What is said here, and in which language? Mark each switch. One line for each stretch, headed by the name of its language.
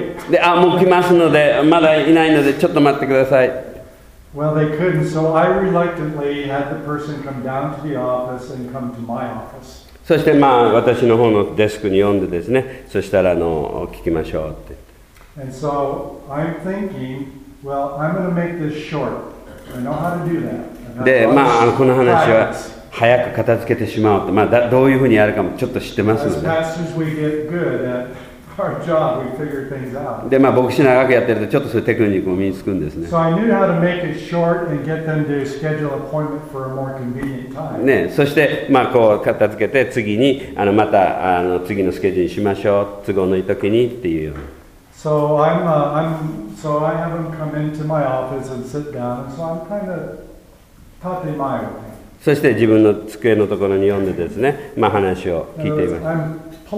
Japanese: で、あ、もう来ますので、まだいないのでちょっと待ってください。
English: Well, they couldn't, so I reluctantly had the person come down to the office and come to my office.
Japanese: そして、まあ、私の方のデスクに読んでですね、そしたらあの聞きましょうって。
English: And so I'm thinking, well, I'm going to make this short. I know how to do that.
Japanese: で、まあ、この話は早く片付けてしまおうと、まあ、どういうふうにやるかもちょっと知ってますので。
English: As pastors, we get good at our job. We figure things out.
Japanese: で、まあ、牧師長くやってるとちょっとそういうテクニックも身につくんですね。
English: So I knew how to make it short and get them to schedule an appointment for a more convenient time.
Japanese: ね、そして、まあ、こう片付けて次にあのまたあの次のスケジュールにしましょう、都合のいい時にっていう。
English: So so I have them come into my office and sit down. So I'm kind of talking my way.
Japanese: そして自分の机のところに呼んでですね、まあ、話を聞いています。